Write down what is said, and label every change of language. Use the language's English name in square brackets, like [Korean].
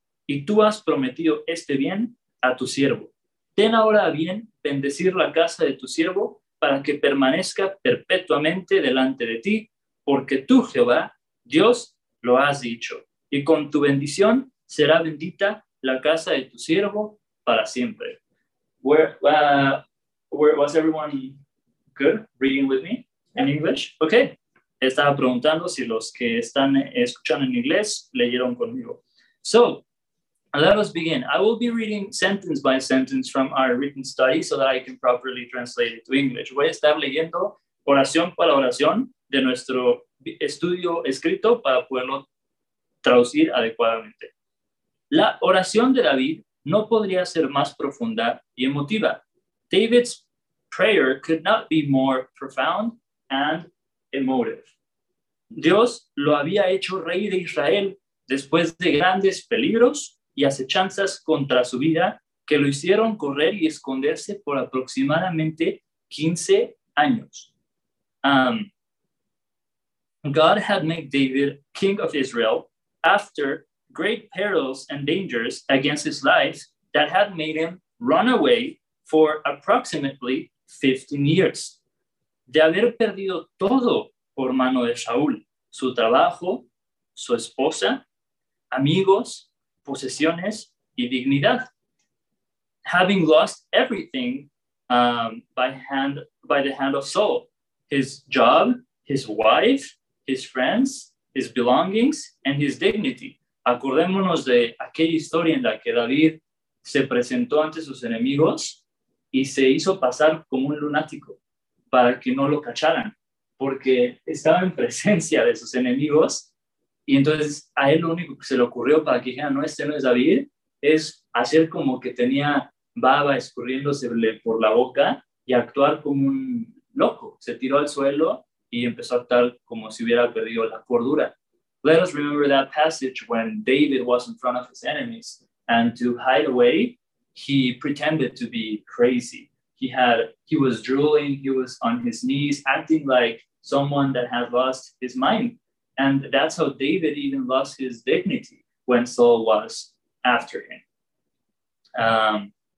[Spanish] Y tú has prometido este bien a tu siervo. Ten ahora a bien bendecir la casa de tu siervo para que permanezca perpetuamente delante de ti, porque tú, Jehová, Dios, lo has dicho. Y con tu bendición será bendita la casa de tu siervo para siempre. [English] Where was everyone good reading with me in English? Okay. [Spanish] Estaba preguntando si los que están escuchando en inglés leyeron conmigo. [English] So, let us begin. I will be reading sentence by sentence from our written study so that I can properly translate it to English. [Spanish] Voy a estar leyendo oración por oración de nuestro estudio escrito para poderlo traducir adecuadamente. La oración de David no podría ser más profunda y emotiva. [English] David's prayer could not be more profound and emotive. [Spanish] Dios lo había hecho rey de Israel después de grandes peligros y acechanzas contra su vida que lo hicieron correr y esconderse por aproximadamente 15 años. [English] God had made David king of Israel after great perils and dangers against his life that had made him run away for approximately 15 years. [Spanish] De haber perdido todo por mano de Saúl, su trabajo, su esposa, amigos, posesiones y dignidad. [English] Having lost everything by the hand of Saul, his job, his wife, his friends, his belongings, and his dignity. [Spanish] Acordémonos de aquella historia en la que David se presentó ante sus enemigos y se hizo pasar como un lunático para que no lo cacharan, porque estaba en presencia de sus enemigos. Y entonces a él lo único que se le ocurrió para que dijera, no, este no es David, es hacer como que tenía baba escurriéndosele por la boca y actuar como un loco. Se tiró al suelo y empezó a actuar como si hubiera perdido la cordura. [English] Let us remember that passage when David was in front of his enemies and to hide away, he pretended to be crazy. He was drooling, he was on his knees, acting like someone that had lost his mind. And that's how David even lost his dignity when Saul was after him.